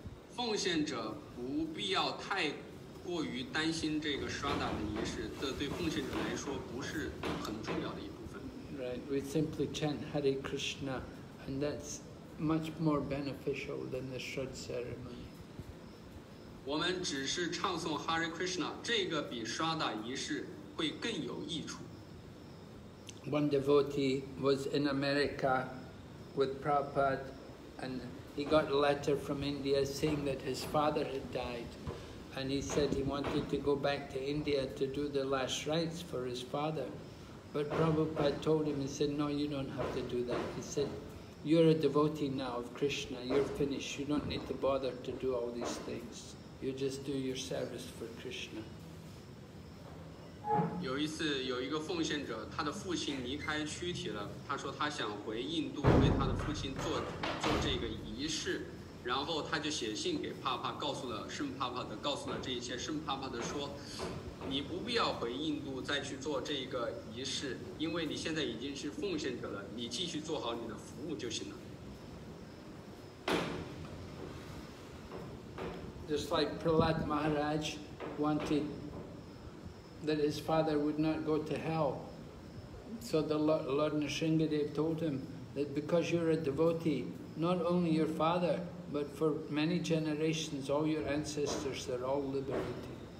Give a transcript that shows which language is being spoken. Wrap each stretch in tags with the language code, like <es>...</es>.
<zh>奉献者不必要太过于担心这个刷打的仪式，这对奉献者来说不是很重要的一部分。</zh> <en>Right, we simply chant Hare Krishna, and that's much more beneficial than the Shraddha ceremony.</en> <zh>我们只是唱诵 Hare Krishna, 这个比刷打仪式会更有益处。</zh> <en>One devotee was in America with Prabhupada, and he got a letter from India saying that his father had died. And he said he wanted to go back to India to do the last rites for his father. But Prabhupada told him, he said, no, you don't have to do that. He said, you're a devotee now of Krishna. You're finished. You don't need to bother to do all these things. You just do your service for Krishna.</en> <zh>有一次有一个奉献者，他的父亲离开躯体了，他说他想回印度为他的父亲做这个仪式。然后他就写信给帕帕，告诉了圣帕帕的，告诉了这一切。圣帕帕的说：“你不必要回印度再去做这个仪式，因为你现在已经是奉献者了，你继续做好你的服务就行了。”</zh> <en>Just like Prahlad Maharaj wanted that his father would not go to hell, so the Lord Narsingadev told him that because you're a devotee, not only your father. But for many generations, all your ancestors are all liberated.</en>